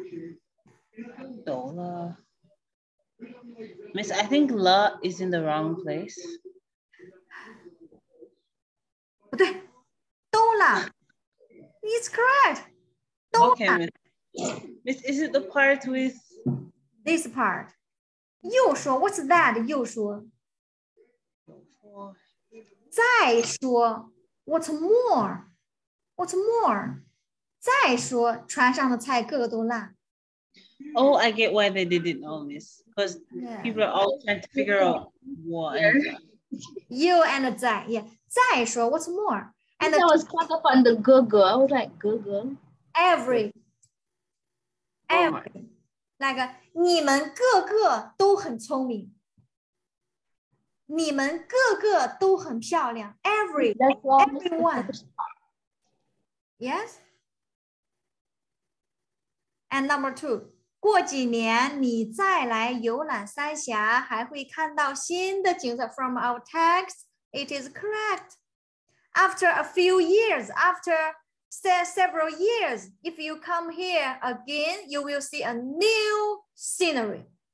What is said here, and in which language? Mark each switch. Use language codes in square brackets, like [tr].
[zh] 又说船上的菜个个都辣. [en] Miss, I think la is in the wrong place. [zh] 不对,都辣. [en] It's correct. [zh] 都辣. [en] Okay, miss, is it the part with this part? [zh] 又说, [en] what's that? 又说. [zh] 再说, [en] what's more? [zh] 再说, 船上的菜个个都辣. [en] Oh, I get why they didn't know, miss. Because yeah. People are all trying to figure out what. You and Zai, yeah. Zai, sure, what's more? And I was caught up on the Google. I was like, Google. Every. Like, [zh] 你们个个都很聪明。你们个个都很漂亮. [en] Every. Everyone. Yes? And number two. [zh] 过几年你再来游览三峡，还会看到新的景色。 [en] From our text, it is correct. After a few years, after several years, if you come here again, you will see a new scenery.